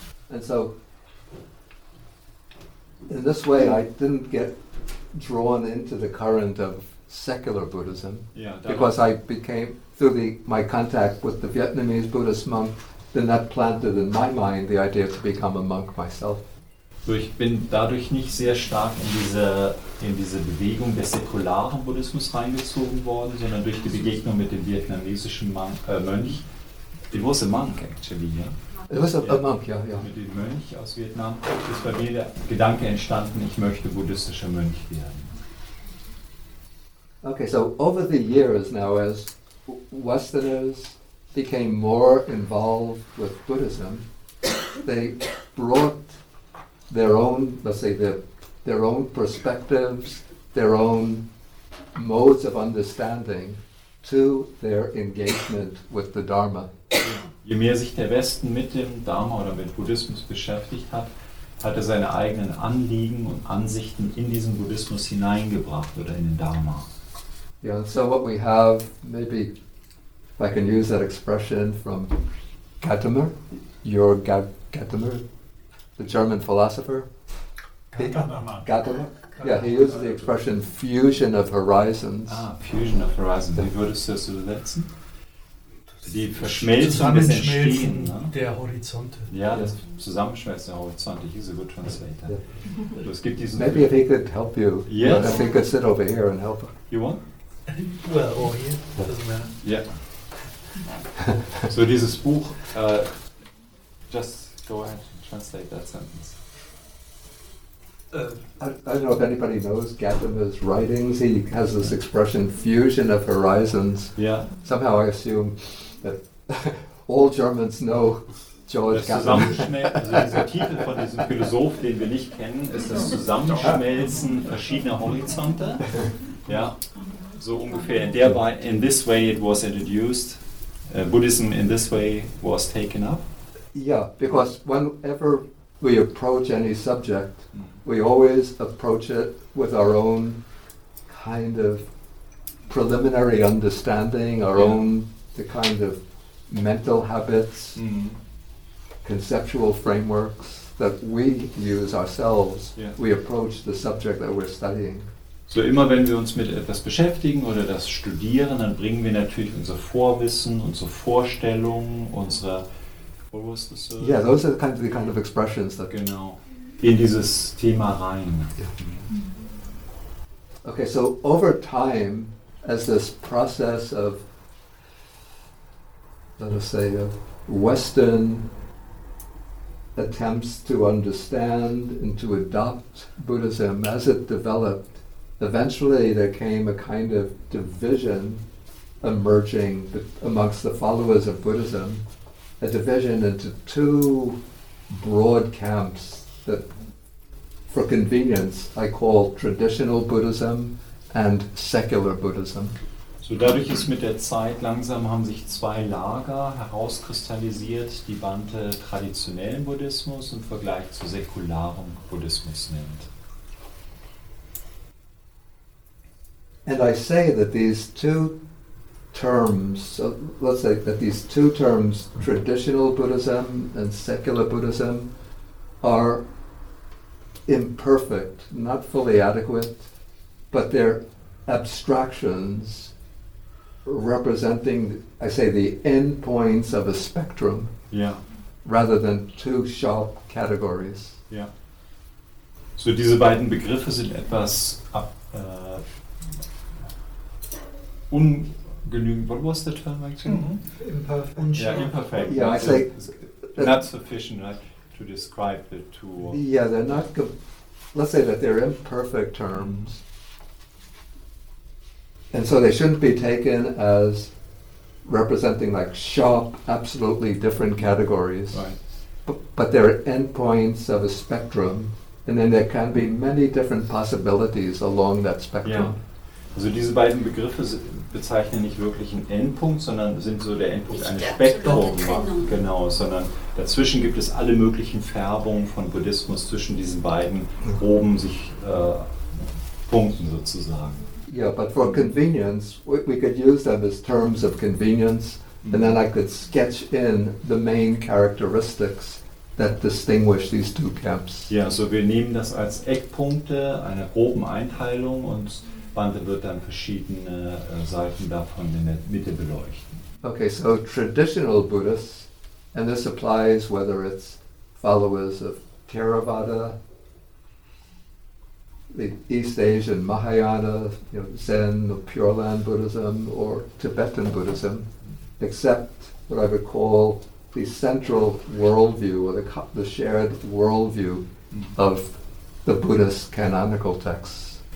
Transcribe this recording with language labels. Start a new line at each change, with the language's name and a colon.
English: And so, in this way I didn't get drawn into the current of secular Buddhism, yeah, because I became, through my contact with the Vietnamese Buddhist monk, then that planted in my mind the idea to become a monk myself.
German: So ich bin dadurch nicht sehr stark in diese Bewegung des säkularen Buddhismus reingezogen worden, sondern durch die Begegnung mit dem vietnamesischen Mönch.
English: It was a monk, actually, yeah? It was a monk, yeah, yeah.
German: Mit dem Mönch aus Vietnam ist bei mir der Gedanke entstanden, ich möchte buddhistischer Mönch werden.
English: Okay, so over the years now, as Westerners became more involved with Buddhism, they brought their own, let's say, their own perspectives, their own modes of understanding to their engagement with the Dharma.
German: Je mehr sich der Westen mit dem Dharma oder mit Buddhismus beschäftigt hat, hat er seine eigenen Anliegen und Ansichten in diesen Buddhismus hineingebracht oder in den Dharma.
English: Yeah, so what we have maybe if I can use that expression from Gadamer, Jörg Gadamer, the German philosopher. Gadamer. Yeah, he uses the expression fusion of horizons. Fusion of horizons.
German: Wie würdest du das übersetzen? Die Verschmelzung des Entstehen. Der Horizonte. Ja, das Zusammenschmelzen der Horizonte.
English: He's a good translator. Yeah.
German: So, es gibt diesen
English: Maybe if he could help you. Yes. If he could sit over here and help. You want? Well, over here. Doesn't matter. Yeah.
German: So dieses Buch,
English: just go ahead and translate that sentence. I don't know if anybody knows Gadamer's writings. He has this expression, fusion of horizons. Yeah. Somehow I assume that all Germans know George Gadamer.
German: Also dieser Titel von diesem Philosoph, den wir nicht kennen, ist das Zusammenschmelzen verschiedener Horizonte. Yeah. So ungefähr.
English: In this way it was introduced. Buddhism in this way was taken up. Yeah, because whenever we approach any subject, we always approach it with our own kind of preliminary understanding, own the kind of mental habits, conceptual frameworks that we use ourselves. Yeah. We approach the subject that we're studying.
German: So immer wenn wir uns mit etwas beschäftigen oder das studieren, dann bringen wir natürlich unser Vorwissen, unsere Vorstellungen, unsere...
English: What was the service? Yeah, those are the kind of expressions that...
German: Genau. In dieses Thema rein.
English: Yeah. Okay, so over time, as this process of, let us say, of Western attempts to understand and to adopt Buddhism, as it developed, eventually there came a kind of division emerging amongst the followers of Buddhism, a division into two broad camps that, for convenience, I call traditional Buddhism and secular Buddhism.
German: So dadurch ist mit der Zeit langsam haben sich zwei Lager herauskristallisiert, die Bande traditionellen Buddhismus im Vergleich zu säkularem Buddhismus nennt.
English: And I say that these two terms, so let's say that these two terms, traditional Buddhism and secular Buddhism, are imperfect, not fully adequate, but they're abstractions representing, I say, the endpoints of a spectrum, rather than two sharp categories. Yeah.
German: So diese beiden Begriffe sind etwas ungenügend.
English: What was the term actually? Imperfect. Yeah, imperfect. Yeah, I say not sufficient, right, to describe the two. Yeah, they're not. Let's say that they're imperfect terms, and so they shouldn't be taken as representing like sharp, absolutely different categories. Right. But they're endpoints of a spectrum, and then there can be many different possibilities along that spectrum. Yeah.
German: Also diese beiden Begriffe bezeichnen nicht wirklich einen Endpunkt, sondern sind so der Endpunkt eines Spektrums. Genau, sondern dazwischen gibt es alle möglichen Färbungen von Buddhismus zwischen diesen beiden groben sich Punkten sozusagen.
English: Yeah, but for convenience, we could use them as terms of convenience, and then I could sketch in the main characteristics that distinguish these two camps.
German: Yeah, so wir nehmen das als Eckpunkte einer groben Einteilung und Bande wird dann verschiedene Seiten davon in der Mitte beleuchten.
English: Okay, so traditional Buddhists, and this applies whether it's followers of Theravada, the East Asian Mahayana, you know, Zen or Pure Land Buddhism, or Tibetan Buddhism, except what I would call the central worldview or the shared worldview of the Buddhist canonical texts.